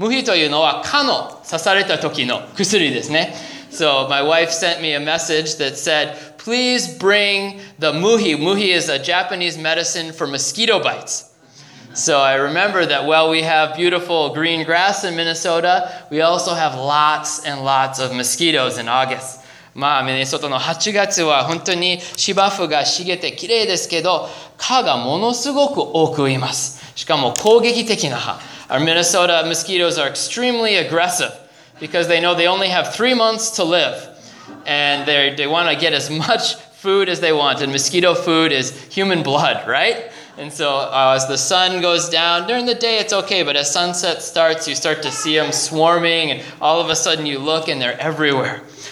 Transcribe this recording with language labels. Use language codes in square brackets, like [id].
[ja] Muhi というのは蚊の刺された時の薬ですね。 [en] So my wife sent me a message that said, please bring the Muhi. Muhi is a Japanese medicine for mosquito bites. So I remember that while we have beautiful green grass in Minnesota, we also have lots and lots of mosquitoes in August. [ja] まあ、ミネソタの8月は本当に芝生が茂ってきれいですけど、蚊がものすごく多くいます。しかも攻撃的な蚊。 [en] Our Minnesota mosquitoes are extremely aggressive because they know they only have 3 months to live. And they want to get as much food as they want. And mosquito food is human blood, right? And so as the sun goes down, during the day it's okay, but as sunset starts, you start to see them swarming, and all of a sudden you look and they're everywhere.